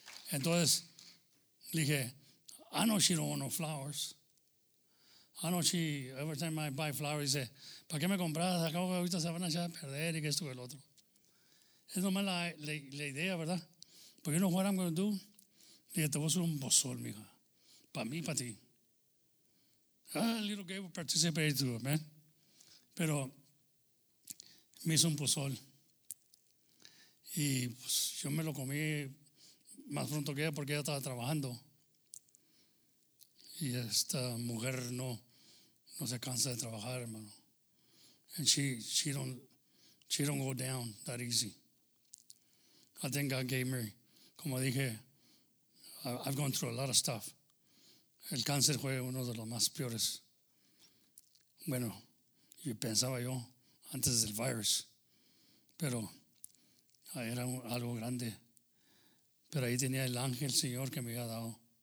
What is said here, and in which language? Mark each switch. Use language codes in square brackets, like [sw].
[es] Entonces, le dije, [en] I know she don't want no flowers. I know she, every time I buy flowers, [es] dice, ¿para qué me compras? Acabo de ahorita se van a echar a perder y que esto y el otro. Es nomás la idea, ¿verdad? [en] But you know what I'm going to do? [es] Le dije, te voy a hacer un pozol, mija. Para mí, para ti. [en] A little gay will participate too, man. [es] Pero me hizo un pozol. Y pues, yo me lo comí más pronto que ella porque ella estaba trabajando. Y esta mujer no se cansa de trabajar, hermano. [en] And she don't go down that easy. I think God gave me, [es] como dije, [en] I've gone through a lot of stuff. [es] El cáncer fue uno de los más peores. Bueno, yo pensaba yo antes del virus, pero era algo grande. Pero ahí tenía el ángel Señor que me había dado.